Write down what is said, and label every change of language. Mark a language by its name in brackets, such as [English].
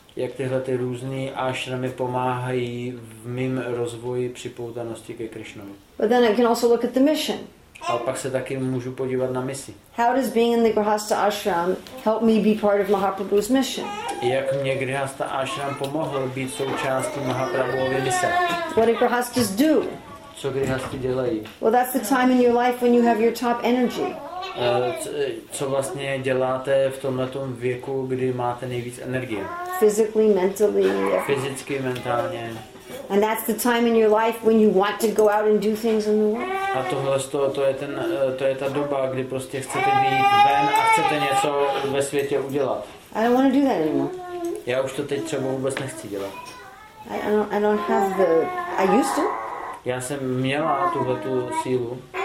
[Czech] Jak tyhle ty různé ashramy pomáhají v mém rozvoji připoutanosti ke Krishnovi? [English] But then I can also look at the mission. [Czech] A pak se taky můžu podívat na misi. [English] How does being in the grihastha ashram help me be part of Mahaprabhu's mission? [Czech] Jak mě grihastha ashram pomohl být součástí Mahaprabhuovy mise? [English] What do grihasthas do? [Czech] Co grihasthy dělají? [English] Well, that's the time in your life when you have your top energy. [Czech] Co vlastně děláte v tomhletom věku, kdy máte nejvíc energie? [English] Physically, mentally. [Czech] Fyzicky, mentálně. [English] And that's the time in your life when you want to go out and do things in the world. [Czech] A tohle to je ta doba, kdy prostě chcete být ven a chcete něco ve světě udělat. [English] I don't want to do that anymore. [Czech] Já už to teď třeba vůbec nechci dělat. [English] I don't have the I used to. [Czech] Já jsem měla tuhle tu sílu.